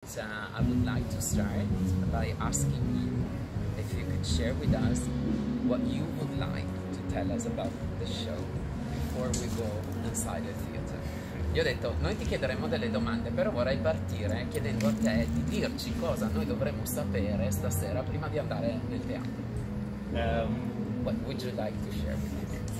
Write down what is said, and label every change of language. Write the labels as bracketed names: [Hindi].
[English] I would like to start by asking you if you could share with us what you would like to tell us about the show before we go inside the theater. [Italian] Gli ho detto, noi ti chiederemo delle domande, però vorrei partire chiedendo a te di dirci cosa noi dovremmo sapere stasera prima di andare nel teatro. [English] What would you like to share with me?